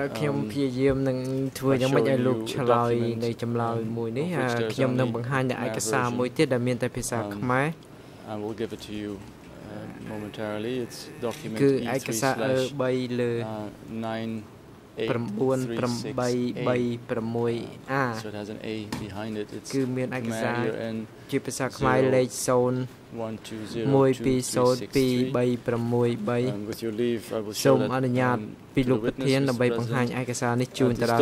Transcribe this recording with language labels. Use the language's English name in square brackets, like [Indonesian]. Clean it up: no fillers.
[Khmer] ខ្ញុំ ព្យាយាម នឹង ធ្វើ យ៉ាង ម៉េច ឲ្យ លោក ឆ្លើយ នៅ ចម្លើយ មួយ នេះ ខ្ញុំ នឹង បង្ហាញ នៅ ឯកសារ មួយ ទៀត ដែល មាន តែ ភាសា ខ្មែរ. [English] I will give it to you momentarily. It's document E3/9836A. So it has an A behind it. It's [Khmer] ឯកសារ ជាភាសា ខ្មែរ លេខ 0120236363. With your leave, I will show it. សូម អនុញ្ញាត ពី លោក ប្រធាន ដើម្បី បង្ហាញ ឯកសារ នេះ ជូន តារ